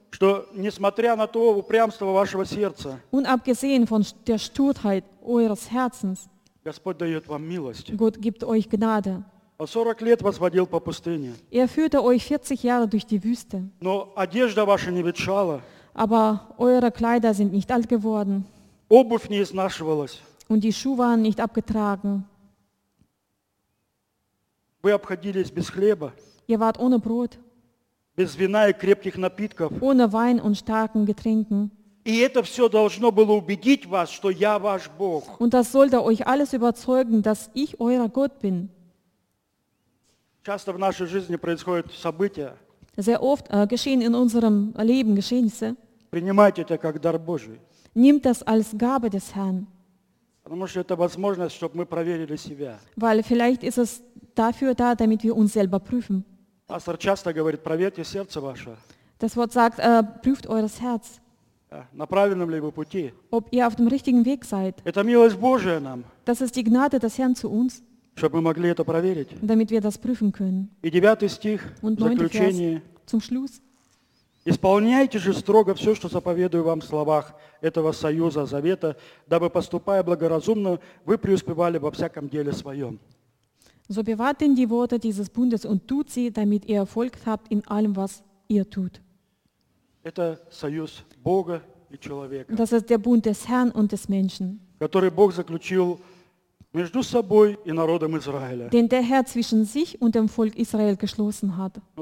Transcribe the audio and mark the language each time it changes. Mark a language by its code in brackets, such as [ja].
[ru] что несмотря на то упрямство вашего сердца, [de] unabgesehen von der Sturheit eures Herzens, [ru] Господь дает вам милость. [de] Gott gibt euch Gnade. [ru] 40 лет вас водил по пустыне. [de] Er führte euch 40 Jahre durch die Wüste. [ru] Но одежда ваша не ветшала. [de] Aber eure Kleider sind nicht alt geworden. [ru] Обувь не изнашивалась. [de] Und die Schuhe waren nicht abgetragen. [ru] Вы обходились без хлеба. [de] Ihr wart ohne Brot. [ru] Без вина и крепких напитков. [de] Ohne Wein und starken Getränken. [ru] И это все должно было убедить вас, что я ваш Бог. [de] Und das sollte euch alles überzeugen, dass ich euer Gott bin. [ru] Часто в нашей жизни происходят события. [de] Sehr oft geschehen in unserem Leben Geschehnisse. [ru] Принимайте это как дар Божий. [de] Nimmt das als Gabe des Herrn. [ru] Потому что это возможность, чтобы мы проверили себя. [de] Weil vielleicht ist es dafür da, damit wir uns selber prüfen. [ru] Пастор часто говорит, проверьте сердце ваше. [de] Das Wort sagt, prüft eures Herz. [ru] На правильном ли вы пути? [de] Ob ihr auf dem richtigen Weg seid. [ru] Это милость Божия нам. [de] Das ist die Gnade des Herrn zu uns. [ru] Чтобы мы могли это проверить. [de] Damit wir das prüfen können. [ru] И 9 стих, [de] Und [ru] в заключение. [de] Vers zum Schluss. [ru] Исполняйте же строго все, что заповедую вам в словах этого союза, завета, дабы, поступая благоразумно, вы преуспевали во всяком деле своем. [de] So bewahrt denn die Worte dieses Bundes und tut sie, damit ihr Erfolg habt in allem, was ihr tut. Das ist der Bund des Herrn und des Menschen, den der Herr zwischen sich und dem Volk Israel geschlossen hat.